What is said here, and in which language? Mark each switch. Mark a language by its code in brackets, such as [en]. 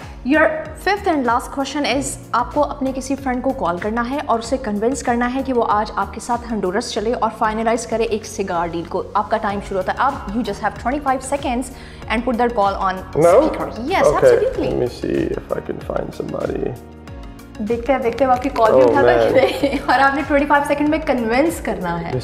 [en] Your fifth and last question is, [hi] आपको अपने किसी फ्रेंड को कॉल करना है और उसे कन्विंस करना है कि वो आज आपके साथ हंडुरस चले और फाइनलाइज करे एक सिगार डील को. आपका टाइम शुरू होता है अब. [en] You just have 25 seconds and put that call on speaker. Yes, okay. Absolutely. Let me see if I can find somebody. [hi] देखते हैं देखते हैं आपकी कॉल भी उठा कर और आपने 25 सेकंड में कन्विंस करना है.